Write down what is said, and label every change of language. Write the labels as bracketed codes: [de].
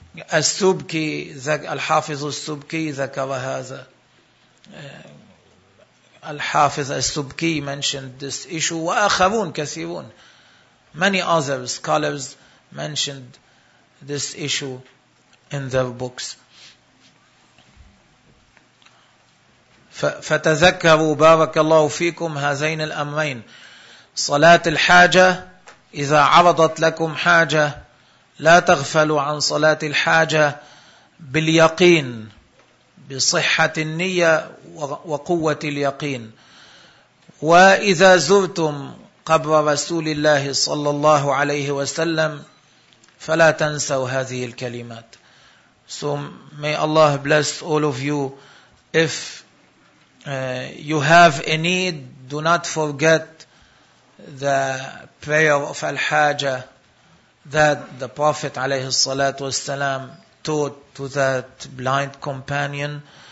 [ar] As-Subki, Al-Hafiz As-Subki zakara hadha. [en] Al-Hafiz As-Subki mentioned this issue. [ar] وآخرون كثيرون. [en] Many other scholars mentioned this issue in their books. [ar] فتذكروا بارك الله فيكم هذين الأمرين. صلاة الحاجة، إذا عرضت لكم حاجة لا تغفلوا عن صلاة الحاجة باليقين، بصحة النية وقوة اليقين. وإذا زرتم قبر رسول الله صلى الله عليه وسلم فلا تنسوا هذه الكلمات. [en] So may Allah bless all of you. If you have a need, do not forget the prayer of Al-Hajjah that the Prophet [ar] عليه الصلاة والسلام [en] taught to that blind companion.